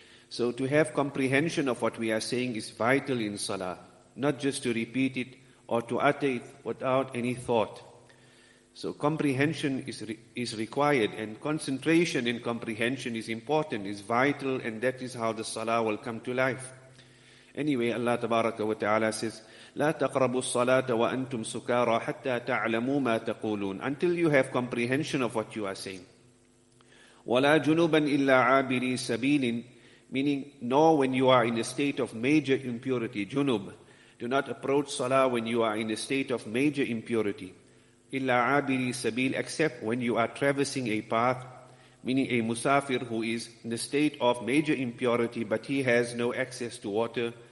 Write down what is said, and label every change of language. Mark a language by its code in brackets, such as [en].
[en] So to have comprehension of what we are saying is vital in Salah, not just to repeat it or to utter it without any thought. So comprehension is required, and concentration in comprehension is important, is vital, and that is how the Salah will come to life. Anyway, Allah Tabaraka wa Ta'ala says, [ar] لَا تَقْرَبُوا الصَّلَاةَ وَأَنْتُمْ سُكَارَى حَتَّى تَعْلَمُوا مَا تَقُولُونَ. [en] Until you have comprehension of what you are saying. [ar] وَلَا جُنُوبًا إِلَّا عَابِرِي سَبِيلٍ. [en] Meaning, nor when you are in a state of major impurity, junub. Do not approach salah when you are in a state of major impurity. [ar] Illa abiri sabil, [en] except when you are traversing a path, meaning a musafir who is in a state of major impurity, but he has no access to water.